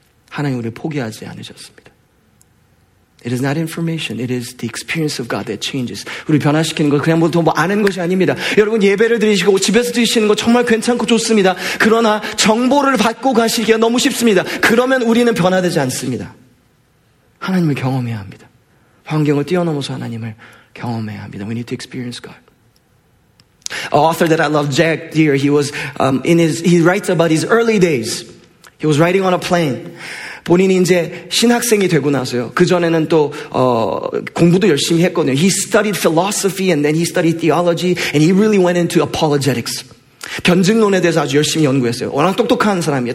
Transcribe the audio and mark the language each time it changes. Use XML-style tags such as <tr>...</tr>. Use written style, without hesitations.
<ko>하나님 우리를 포기하지 않으셨습니다.</ko> <en>It is not information. It is the experience of God that changes.</en> <ko>우리 변화시키는 거 그냥 보통 뭐 아는 것이 아닙니다. 여러분 예배를 드리시고 집에서 드리시는 거 정말 괜찮고 좋습니다. 그러나 정보를 받고 가시기가 너무 쉽습니다. 그러면 우리는 변화되지 않습니다. 하나님을 경험해야 합니다. 환경을 뛰어넘어서 하나님을 경험해야 합니다.</ko> <en>We need to experience God. An author that I love, Jack Deere, he was he writes about his early days. He was riding on a plane.</en> <ko>본인이 이제 신학생이 되고 나서요. 그전에는 또 공부도 열심히 했거든요.</ko> <en>He studied philosophy and then he studied theology and he really went into apologetics.</en> <ko>변증론에 대해서 아주 열심히 연구했어요. 워낙 똑똑한 사람이에요.</ko>